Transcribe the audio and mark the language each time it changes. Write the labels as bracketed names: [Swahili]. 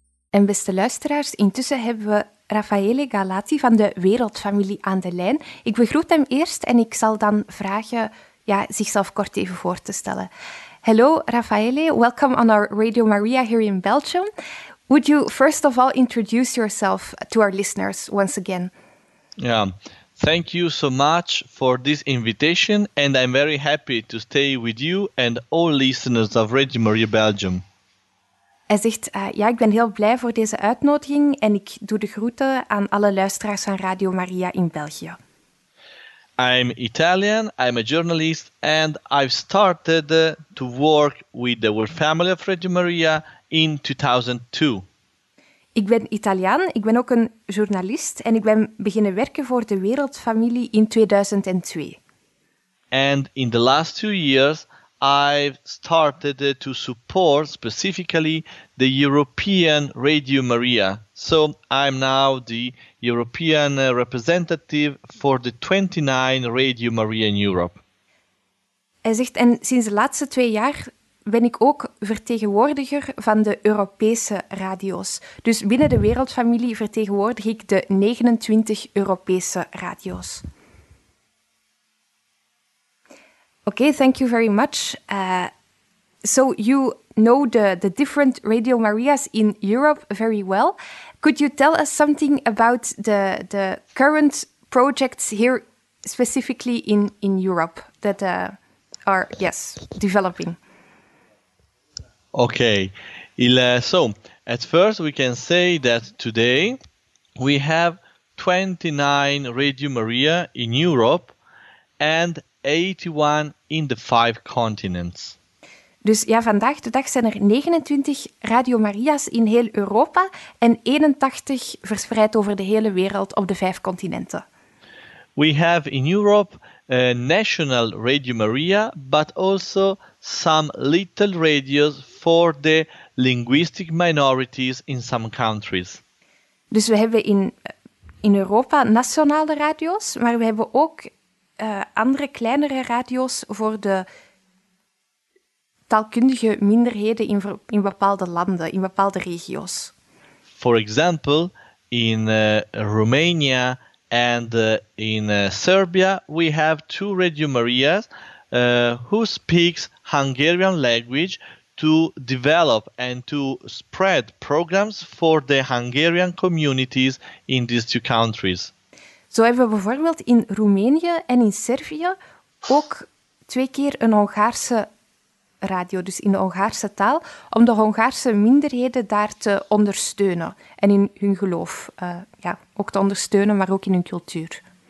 [Dutch] En beste luisteraars, intussen hebben we Raffaele Galati van de Wereldfamilie aan de lijn. Ik begroet hem eerst en ik zal dan vragen zichzelf kort even voor te stellen. [English] Hello, Raffaele. Welcome on our Radio Maria here in Belgium. Would you first of all introduce yourself to our listeners once again? Yeah, thank you so much for this invitation, and I'm very happy to stay with you and all listeners of Radio Maria Belgium. [Dutch] Hij zegt, ik ben heel blij voor deze uitnodiging en ik doe de groeten aan alle luisteraars van Radio Maria in België. [English] I'm Italian, I'm a journalist and I've started to work with the World Family of Radio Maria in 2002. [Dutch] Ik ben Italiaan, ik ben ook een journalist en ik ben beginnen werken voor de Wereldfamilie in 2002. [English] And in the last 2 years, I've started to support specifically the European Radio Maria. So I'm now the European representative for the 29 Radio Maria in Europe. [Dutch] Hij zegt, en sinds de laatste 2 jaar ben ik ook vertegenwoordiger van de Europese radio's. Dus binnen de Wereldfamilie vertegenwoordig ik de 29 Europese radio's. [English] Okay, thank you very much. So you know the different Radio Marias in Europe very well. Could you tell us something about the current projects here, specifically in Europe, that are developing? Okay. So at first we can say that today we have 29 Radio Maria in Europe and 81 in the 5 continents. [Dutch] Dus ja, vandaag de dag zijn er 29 Radio Maria's in heel Europa en 81 verspreid over de hele wereld op de 5 continenten. [English] We have in Europe a national Radio Maria, but also some little radios for the linguistic minorities in some countries. [Dutch] Dus we hebben in Europa nationale radio's, maar we hebben ook andere kleinere radio's voor de taalkundige minderheden in bepaalde landen, in bepaalde regio's. [English] For example, in Romania and in Serbia, we have 2 Radio Marias who speaks Hungarian language to develop and to spread programs for the Hungarian communities in these 2 countries. [Dutch] Zo hebben we bijvoorbeeld in Roemenië en in Servië ook 2 keer een Hongaarse radio, dus in de Hongaarse taal, om de Hongaarse minderheden daar te ondersteunen en in hun geloof ook te ondersteunen, maar ook in hun cultuur.